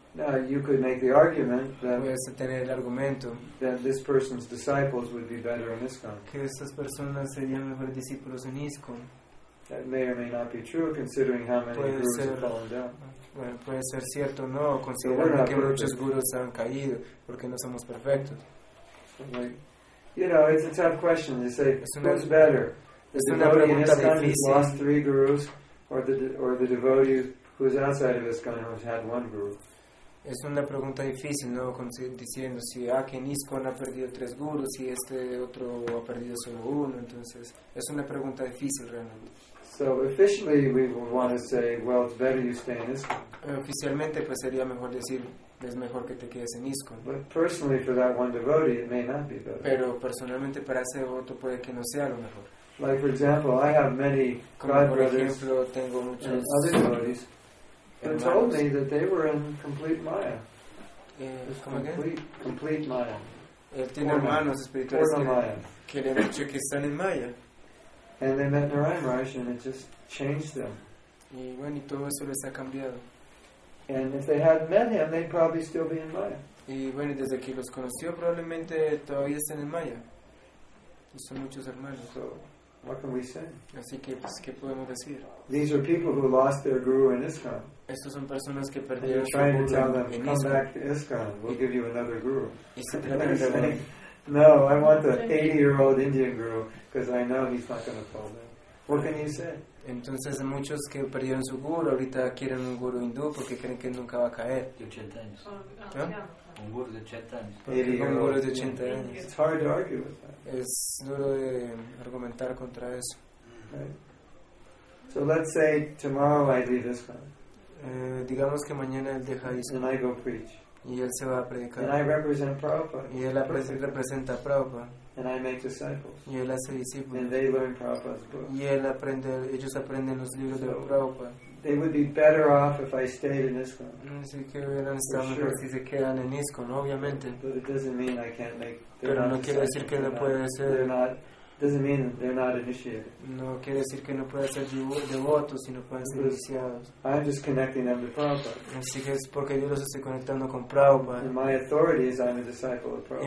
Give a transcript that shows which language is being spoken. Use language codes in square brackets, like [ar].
[en] Now you could make the argument that. [es] Puedes tener el argumento. [en] That this person's disciples would be better in ISKCON. [es] Que estas personas serían mejores discípulos en ISKCON. [en] That may or may not be true, considering how many [es] puede [en] groups [es] ser, [en] have fallen down. [es] Bueno, puede ser cierto o no, considerando que muchos gurús han caído, porque no somos perfectos. [en] You know, it's a tough question. You say, who's better? The devotee in ISKCON who's lost three gurus, or the devotee who's outside of ISKCON who's had one guru? [es] Es una pregunta difícil, ¿no? Diciendo si en ISKCON ha perdido tres gurús y este otro ha perdido solo uno. Entonces, es una pregunta difícil realmente. [en] So officially, we would want to say, well, it's better you stay in ISKCON. [es] Oficialmente, pues sería mejor decir, es mejor que te quedes en ISKCON. [en] But personally, for that one devotee, it may not be better. [es] Pero personalmente, para ese otro puede que no sea lo mejor. [en] Like, for example, I have many godbrothers. [es] Como por ejemplo, tengo muchos [en] other devotees. They told me that they were in complete Maya. [es] ¿Cómo qué? [en] Complete Maya. [es] Él tiene hermanos espirituales que le han dicho que están en Maya. [en] And they met Narayan Maharaj and it just changed them. [es] Y bueno, y todo eso les ha cambiado. [en] And if they hadn't met him, they'd probably still be in Maya. [es] Y bueno, y desde que los conoció, probablemente todavía están en Maya. Y son muchos hermanos. [en] So, what can we say? [es] Así que, pues, ¿qué podemos decir? [en] These are people who lost their guru in ISKCON. [es] Estos son personas que perdieron [en] and you're trying to tell them, come back to ISKCON, we'll give you another guru. [es] Y se tratan de [en] saying, no, I want the 80-year-old Indian guru. Because I know he's not going to fall down. What can you say? [es] Entonces, muchos que perdieron su guru ahorita quieren un guru hindú porque creen que nunca va a caer. De 80 años. ¿Eh? Un guru de 80 años. Porque un guru de 80 años. [en] It's hard to argue with that. [es] Es duro de argumentar contra eso. [en] Right. So let's say tomorrow I leave this one. [es] Digamos que mañana él deja ISKCON. [en] And I go preach. [es] Y él se va a predicar. [en] And I represent Prabhupada. [es] Y él representa a Prabhupada. [en] And I make disciples. [es] Y él hace discípulos. [en] And they learn Prabhupada's book. [es] Y él aprende, ellos aprenden los libros de Prabhupada. [en] They would be better off if I stayed in ISKCON. [es] Así que hubieran estado mejor si se quedan en ISKCON, obviamente. [en] But it doesn't mean I can't make. [es] Pero no quiere decir que no puede ser. [en] Doesn't mean they're not initiated. [es] No quiere decir que no pueda ser devotos, sino pueden ser iniciados. [en] I'm just connecting them to Prabhupada. [es] Así que es porque yo los estoy conectando con Prabhupada. [en] And my authority is I'm a disciple of Prabhupada.